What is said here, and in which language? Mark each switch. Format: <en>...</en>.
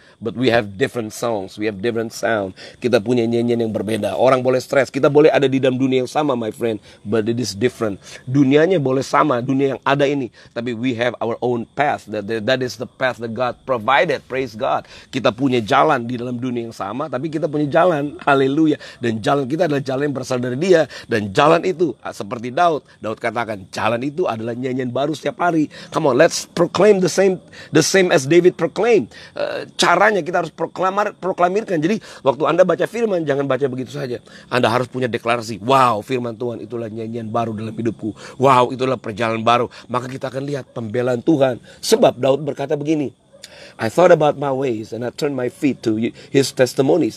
<en>But we have different songs, we have different sound.</en> <id>Kita punya nyanyian yang berbeda. Orang boleh stres, kita boleh ada di dalam dunia yang sama,</id> <en>my friend, but it is different.</en> <id>Dunianya boleh sama, dunia yang ada ini, tapi</id> <en>we have our own path. That is the path that God provided, praise God.</en> <id>Kita punya jalan di dalam dunia yang sama, tapi kita punya jalan, haleluya. Dan jalan kita adalah jalan yang berasal dari dia. Dan jalan itu, seperti Daud katakan, jalan itu adalah nyanyian baru setiap hari.</id> <en>Come on, let's proclaim the same as David proclaim.</en> <id>Caranya kita harus proklamirkan. Jadi waktu Anda baca firman, jangan baca begitu saja. Anda harus punya deklarasi, wow, firman Tuhan itulah nyanyian baru dalam hidupku. Wow, itulah perjalanan baru. Maka kita akan lihat pembelaan Tuhan. Sebab Daud berkata begini,</id> <en>I thought about my ways and I turned my feet to his testimonies.</en>